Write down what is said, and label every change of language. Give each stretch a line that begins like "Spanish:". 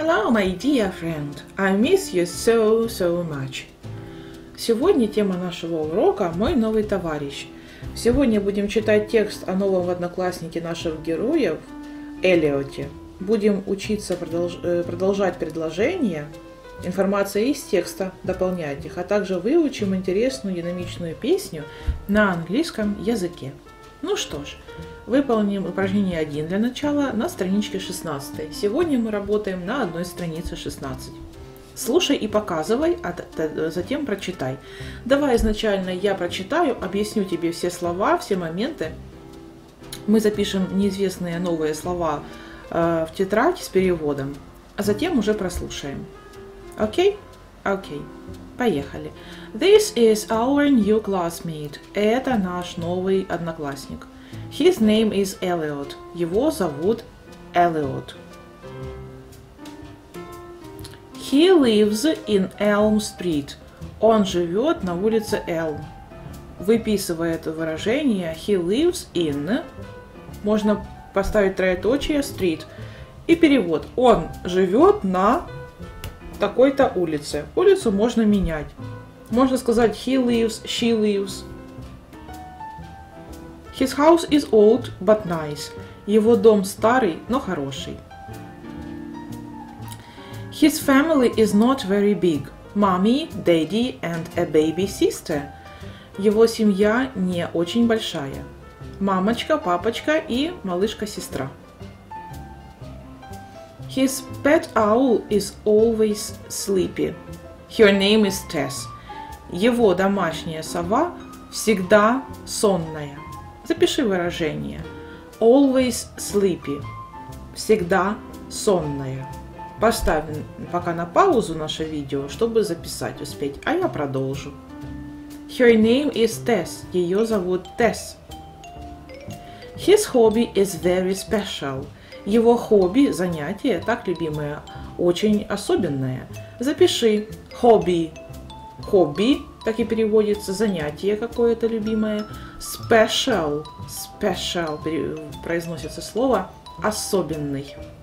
English: my dear friend, I miss you so, so much.
Russian: Сегодня тема нашего урока «Мой новый товарищ». Сегодня будем читать текст о новом однокласснике наших героев, Элиоте. Будем учиться продолжать предложения, информация из текста дополнять их, а также выучим интересную динамичную песню на английском языке. Ну что ж, выполним упражнение 1 для начала на страничке 16. Сегодня мы работаем на одной странице 16. Слушай и показывай, а затем прочитай. Давай изначально я прочитаю, объясню тебе все слова, все моменты. Мы запишем неизвестные новые слова в тетрадь с переводом, а затем уже прослушаем. Окей? Окей. Поехали.
English: This is our new classmate.
Russian: Это наш новый одноклассник.
English: His name is Elliot.
Russian: Его зовут Elliot.
English: He lives in Elm Street.
Russian: Он живет на улице Elm. Выписывая это выражение,
English: he lives in,
Russian: можно поставить троеточие, street. И перевод. Он живет на такой-то улице. Улицу можно менять. Можно сказать
English: he lives, she lives. His house is old, but nice.
Russian: Его дом старый, но хороший.
English: His family is not very big. Mommy, daddy and a baby sister.
Russian: Его семья не очень большая. Мамочка, папочка и малышка-сестра.
English: His pet owl is always sleepy. Her name is Tess.
Russian: Его домашняя сова всегда сонная. Запиши выражение.
English: Always sleepy.
Russian: Всегда сонная. Поставим пока на паузу наше видео, чтобы записать, успеть. А я продолжу.
English: Her name is Tess.
Russian: Ее зовут Tess.
English: His hobby is very special.
Russian: Его хобби, занятие, так любимое, очень особенное. Запиши. Hobby. Hobby, так и переводится, занятие какое-то любимое.
English: Special.
Russian: Special, произносится слово. Особенный.